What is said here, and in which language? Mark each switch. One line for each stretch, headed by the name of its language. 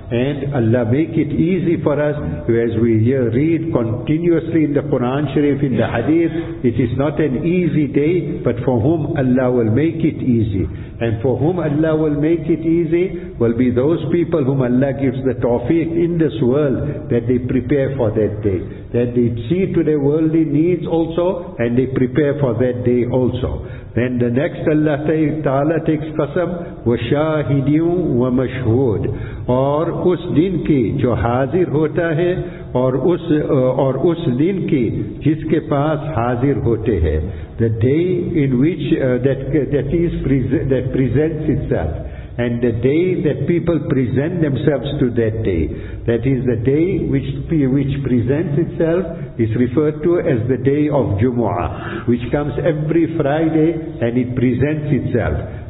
English: And Allah make it easy for us, as we read continuously in the Quran Sharif, in the Hadith, it is not an easy day, but for whom Allah will make it easy. And for whom Allah will make it easy will be those people whom Allah gives the tawfiq in this world, that they prepare for that day, that they see to their worldly needs also, and they prepare for that day also. Then the next Allah Ta'ala takes qasam,
Arabic: وَشَاهِدِيُمْ وَمَشْهُود,
Urdu: اور اس دن کی جو حاضر ہوتا ہے اور اس دن کی جس کے پاس حاضر ہوتے ہیں.
English: The day in which that presents itself, and the day that people present themselves to that day, that is the day which presents itself, is referred to as the day of Jumu'ah, which comes every Friday and it presents itself.